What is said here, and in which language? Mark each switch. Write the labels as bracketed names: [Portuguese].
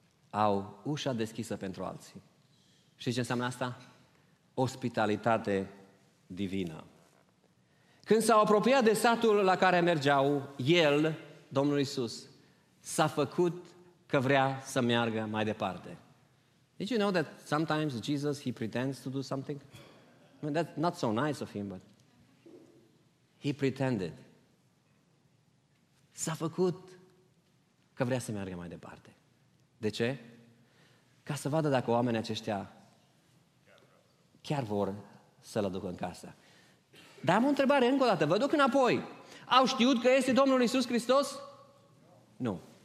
[Romanian] Au ușa deschisă pentru alții. Și ce înseamnă asta? Ospitalitate divină. Când s-au apropiat de satul la care mergeau, el, Domnul Iisus, s-a făcut că vrea să meargă mai departe. [English] Did you know that sometimes Jesus, he pretends to do something? I mean, that's not so nice of him, but he pretended. [Romanian] S-a făcut că vrea să meargă mai departe. De ce? Ca să vadă dacă oamenii aceștia chiar vor să-L aducă în casă. Dar am o întrebare încă o dată. Vă duc înapoi. Au știut că este Domnul Iisus Hristos? Nu.